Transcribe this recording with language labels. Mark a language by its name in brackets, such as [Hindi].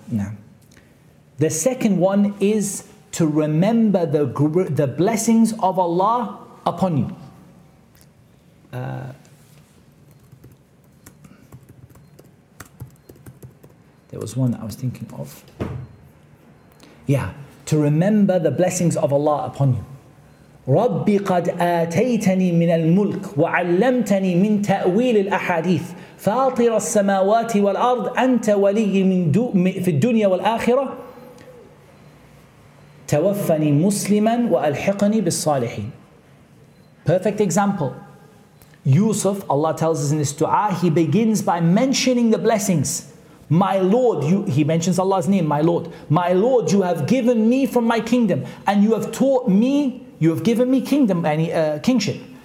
[English] Now, the second one is to remember the blessings of Allah upon you. There was one I was thinking of. Yeah, to remember the blessings of Allah upon you. [Arabic] رَبِّ قَدْ آتَيْتَنِي مِنَ الْمُلْكِ وَعَلَّمْتَنِي مِنْ تَأْوِيلِ الْأَحَادِيثِ فاطر السماوات والأرض أنت ولي من في الدنيا والآخرة توفني مسلما وألحقني بالصالحين. [English] Perfect example. Yusuf, Allah tells us in this dua, he begins by mentioning the blessings. My Lord, he mentions Allah's name, my Lord. My Lord, you have given me from my kingdom and you have taught me, you have given me kingdom and kingship.